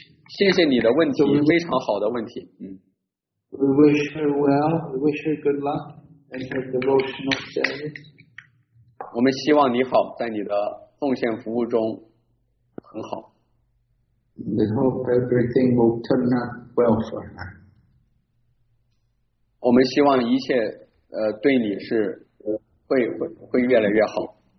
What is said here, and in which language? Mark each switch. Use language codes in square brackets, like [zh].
[zh] 谢谢你的问题，非常好的问题。嗯。 [en] We wish her well. We wish her good luck and her devotional service. [zh] 我们希望你好，在你的奉献服务中很好。 [en] We hope everything will turn out well for her. [zh] 我们希望一切对你是会越来越好。